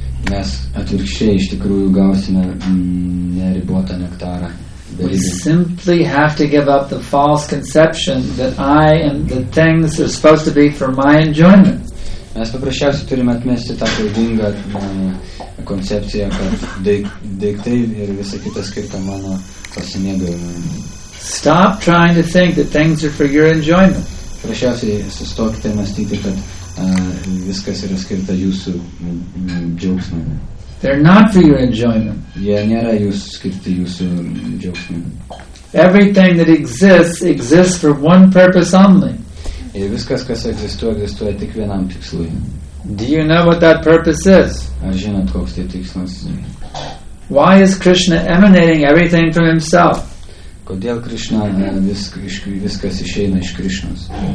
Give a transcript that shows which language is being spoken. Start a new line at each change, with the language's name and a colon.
Lithuanian: Mes atvirkščiai iš tikrųjų gausime neribotą nektarą.
English: We simply have to give up the false conception that I and the things are supposed to be for my enjoyment.
Lithuanian: Mes paprasčiausiai turime atmesti tą klaidingą koncepciją, kad daiktai ir visa kita skirta mano pasimėgavimui.
English: Stop trying to think that things are for your enjoyment.
Lithuanian: Paprasčiausiai sustokite mąstyti, kad viskas yra skirta jūsų džiaugsmui.
English: They're not for your enjoyment.
Lithuanian: Jie nėra skirti jūsų džiaugsmui.
English: Everything that exists exists for one purpose only.
Lithuanian: Ir viskas, kas egzistuoja, egzistuoja tik vienam tikslui.
English: Do you know what that purpose is?
Lithuanian: Ar žinot, koks tai tikslas?
English: Why is Krishna emanating everything from himself?
Lithuanian: Kodėl Krishna viskas išeina iš Krishnos?